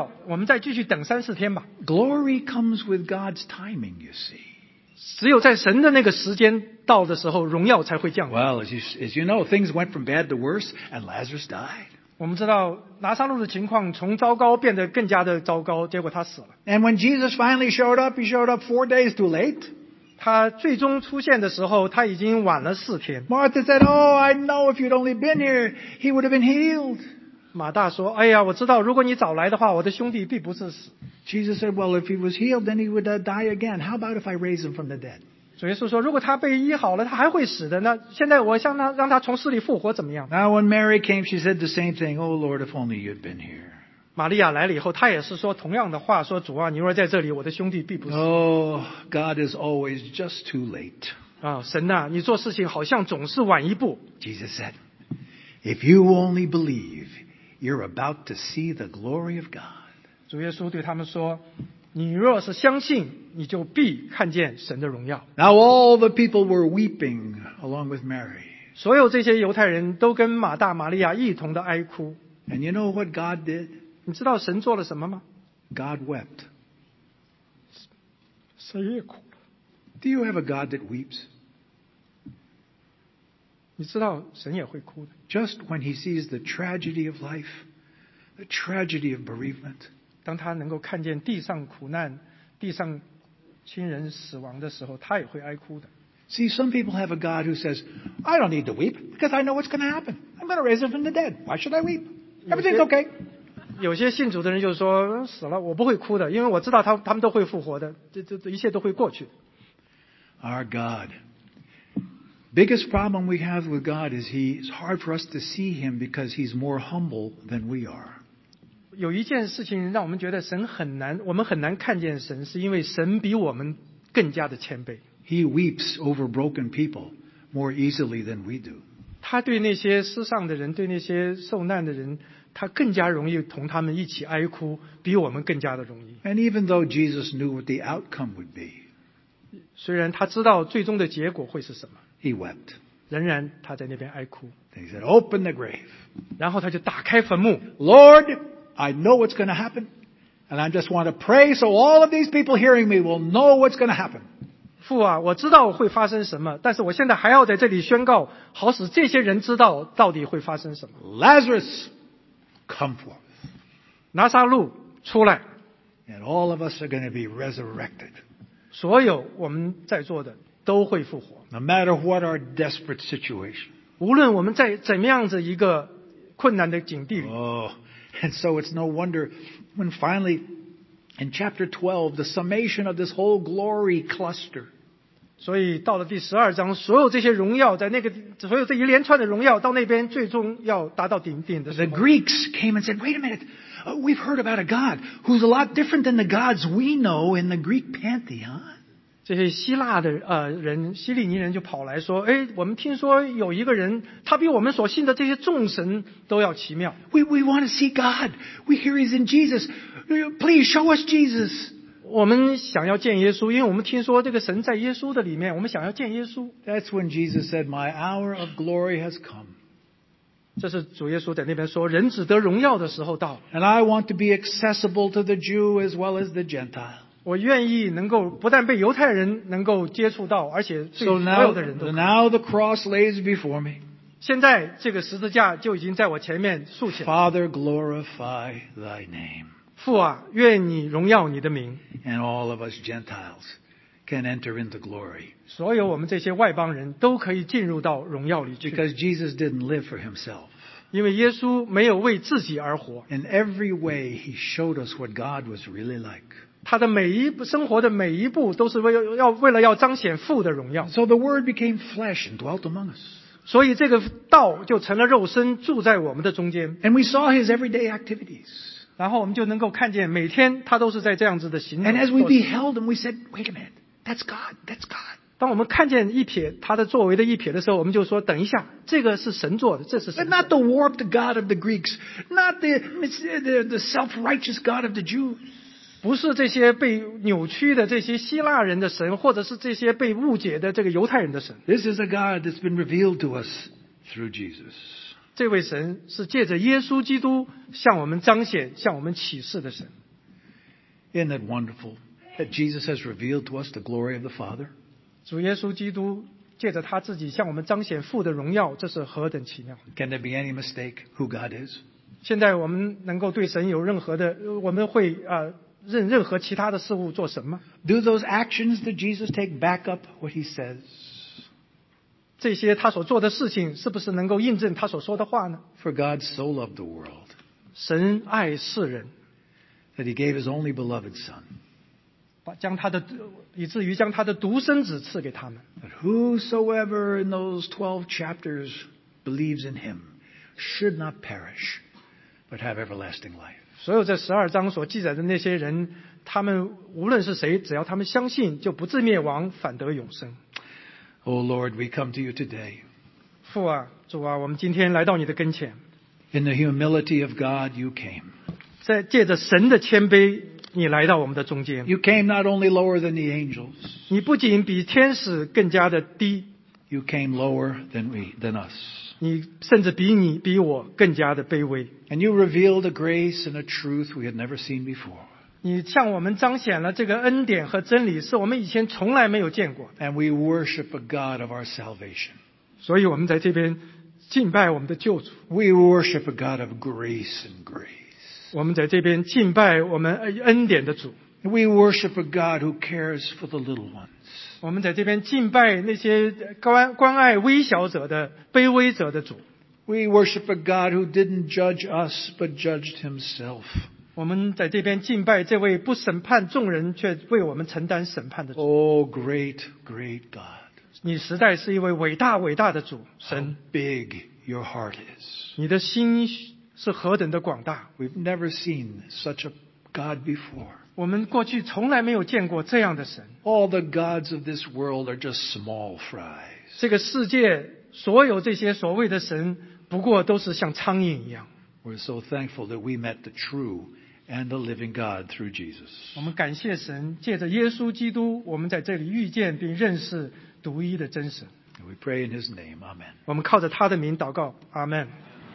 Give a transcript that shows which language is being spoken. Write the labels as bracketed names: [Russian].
[Chinese] 主耶稣说：“哦，这个是为着父的荣耀，我们再继续等三四天吧。” [English] Glory comes with God's timing, you see. [Chinese] 只有在神的那个时间到的时候，荣耀才会降临。 [English] Well, as you know, things went from bad to worse, and Lazarus died. [Chinese] 我们知道拿撒路的情况从糟糕变得更加的糟糕，结果他死了。 [English] And when Jesus finally showed up, he showed up 4 days too late. [Chinese] 他最终出现的时候，他已经晚了四天。Martha [English] said, "Oh, I know if you'd only been here, he would have been healed." [Chinese] 马大说：“哎呀，我知道，如果你早来的话，我的兄弟必不至死。”Jesus [English] said, "Well, if he was healed, then he would die again. How about if I raise him from the dead?" [Chinese] 主耶稣说：“如果他被医好了，他还会死的。那现在我让他从死里复活，怎么样？” [English] Now when Mary came, she said the same thing. "Oh Lord, if only you'd been here." [Chinese] 玛利亚来了以后，她也是说同样的话：“说主啊，你若在这里，我的兄弟必不死。” [English] Oh, God is always just too late. [Chinese] 啊，神呐，你做事情好像总是晚一步。Jesus [English] said, "If you only believe, you're about to see the glory of God." [Chinese] 主耶稣对他们说，你若是相信，你就必看见神的荣耀。 [English] Now all the people were weeping along with Mary. [Chinese] 所有这些犹太人都跟马大、玛利亚一同的哀哭。 [English] And you know what God did? [Chinese] 你知道神做了什么吗？ [English] God wept. [Chinese] 神也哭了。 [English] Do you have a God that weeps? [Chinese] 你知道神也会哭的。 [English] Just when he sees the tragedy of life, the tragedy of bereavement, [Chinese] 当他能够看见地上苦难、地上亲人死亡的时候，他也会哀哭的。 [English] See, some people have a God who says, "I don't need to weep because I know what's going to happen. I'm going to raise him from the dead. Why should I weep? Everything's okay." [Chinese] 有些信主的人就说，死了我不会哭的，因为我知道他们都会复活的，这一切都会过去。 [English] Our God, biggest problem we have with God is He's hard for us to see Him because He's more humble than we are. [Chinese] 有一件事情让我们觉得神很难，我们很难看见神，是因为神比我们更加的谦卑。 [English] He weeps over broken people more easily than we do. [Chinese] 他对那些失丧的人，对那些受难的人，他更加容易同他们一起哀哭，比我们更加的容易。 [English] And even though Jesus knew what the outcome would be, [Chinese] 虽然他知道最终的结果会是什么 [English] ，He wept. [Chinese] 仍然他在那边哀哭。 [English] Then he said, "Open the grave." [Chinese] 然后他就打开坟墓 [English] ，Lord. I know what's going to happen, and I just want to pray so all of these people hearing me will know what's going to happen. [Chinese] 父啊，我知道会发生什么，但是我现在还要在这里宣告，好使这些人知道到底会发生什么。 [English] Lazarus, come forth. [Chinese] 拿撒路，出来。 [English] And all of us are going to be resurrected. [Chinese] 所有我们在座的都会复活。 [English] No matter what our desperate situation. [Chinese] 无论我们在怎么样子一个困难的境地里。 [English] And so it's no wonder when finally, in chapter 12, the summation of this whole glory cluster. [Chinese] 所以到了第十二章，所有这些荣耀在那个，所有这一连串的荣耀到那边最终要达到顶的时候。 [English] The Greeks came and said, "Wait a minute, we've heard about a god who's a lot different than the gods we know in the Greek pantheon." [Chinese] 这些希腊的人，希利尼人就跑来说，哎，我们听说有一个人，他比我们所信的这些众神都要奇妙。 [English] We want to see God. We hear He's in Jesus. Please show us Jesus. [Chinese] 我们想要见耶稣，因为我们听说这个神在耶稣的里面，我们想要见耶稣。 [English] That's when Jesus said, "My hour of glory has come." [Chinese] 这是主耶稣在那边说，人子得荣耀的时候到。 [English] And I want to be accessible to the Jew as well as the Gentile. [Chinese] 我愿意能够不但被犹太人能够接触到，而且对所有的人都。 [English] So now the cross lays before me. [Chinese] 现在这个十字架就已经在我前面竖起来。 [English] Father, glorify thy name. [Chinese] 父啊，愿你荣耀你的名。 [English] And all of us Gentiles can enter into glory. [Chinese] 所有我们这些外邦人都可以进入到荣耀里去。 [English] Because Jesus didn't live for himself. [Chinese] 因为耶稣没有为自己而活。 [English] In every way, he showed us what God was really like. [Chinese] 他的每一步生活的每一步都是为了要彰显父的荣耀。 [English] So the word became flesh and dwelt among us. [Chinese] 所以这个道就成了肉身住在我们的中间。 [English] And we saw his everyday activities. [Chinese] 然后我们就能够看见每天他都是在这样子的行动。 [English] And as we beheld him, we said, "Wait a minute, that's God, that's God." [Chinese] 当我们看见一瞥他的作为的一瞥的时候，我们就说：“等一下，这个是神做的，这是神。” [English] But not the warped God of the Greeks, not the self-righteous God of the Jews. [Chinese] 不是这些被扭曲的这些希腊人的神，或者是这些被误解的这个犹太人的神。 [English] This is a God that's been revealed to us through Jesus. [Chinese] 这位神是借着耶稣基督向我们彰显、向我们启示的神。 [English] Isn't that wonderful that Jesus has revealed to us the glory of the Father? [Chinese] 主耶稣基督借着他自己向我们彰显父的荣耀，这是何等奇妙 [English] ！Can there be any mistake who God is? [Chinese] 现在我们能够对神有任何的，我们会任何其他的事物做什么 [English] ？Do those actions that Jesus take back up what he says？ [Chinese] 这些他所做的事情是不是能够印证他所说的话呢 [English] ？For God so loved the world， [Chinese] 神爱世人 [English] ，that he gave his only beloved son， [Chinese] 以至于将他的独生子赐给他们。 [English] That whosoever in those 12 chapters believes in him should not perish， but have everlasting life。 [Chinese] 所有这十二章所记载的那些人，他们无论是谁，只要他们相信，就不至灭亡，反得永生。 [English] Oh Lord, we come to you today. [Chinese] 父啊，主啊，我们今天来到你的跟前。 [English] In the humility of God, you came. [Chinese] 在借着神的谦卑，你来到我们的中间。 [English] You came not only lower than the angels. [Chinese] 你不仅比天使更加的低。 [English] You came lower than we than us. [Chinese] 你甚至比你比我更加的卑微。 [English] And you revealed a grace and a truth we had never seen before. [Chinese] 你向我们彰显了这个恩典和真理，是我们以前从来没有见过。 [English] And we worship a God of our salvation. [Chinese] 所以我们在这边敬拜我们的救主。 [English] We worship a God of grace and grace. [Chinese] 我们在这边敬拜我们恩典的主。 [English] We worship a God who cares for the little ones. [Chinese] 我们在这边敬拜那些 关爱微小者的卑微者的主。 [English] We worship a God who didn't judge us but judged himself. [Chinese] 我们在这边敬拜这位不审判众人却为我们承担审判的主。 [English] Oh, great, great God. [Chinese] 你实在是一位伟大伟大的主神。 [English] How big your heart is. [Chinese] 你的心是何等的广大。 [English] We've never seen such a God before. [Chinese] 我们过去从来没有见过这样的神。 [English] All the gods of this world are just small fries. [Chinese] 这个世界所有这些所谓的神不过都是像苍蝇一样。 [English] We're so thankful that we met the true and the living God through Jesus. [Chinese] 我们感谢神，借着耶稣基督，我们在这里遇见并认识独一的真神。 [English] We pray in his name, Amen. [Chinese] 我们靠着他的名祷告，阿门。